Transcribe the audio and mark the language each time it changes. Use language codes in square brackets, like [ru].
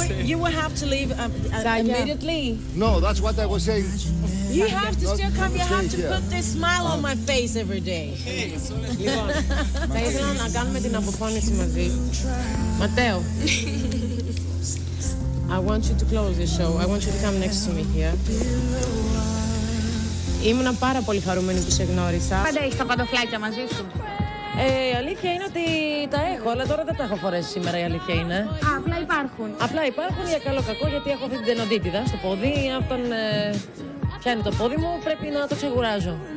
[en] You will have to leave immediately. No, that's what I was saying. You have to still come. You have to put this smile on my face every day. [el] Θέλω να κάνουμε την αποφώνηση μαζί. Ματέο. [en] I want you to close the show. I want you to come next to me here. [el] Ήμουν πάρα πολύ χαρούμενη που σε γνώρισα. Πάντα έχεις τα παντοφλάκια μαζί σου. Η αλήθεια είναι ότι τα έχω, αλλά τώρα δεν τα έχω φορέσει σήμερα, η αλήθεια είναι. Απλά υπάρχουν. Απλά υπάρχουν για καλό κακό, γιατί έχω αυτή την τενοντίτιδα στο πόδι. Όταν πιάνει το πόδι μου, πρέπει να το ξεγουράζω.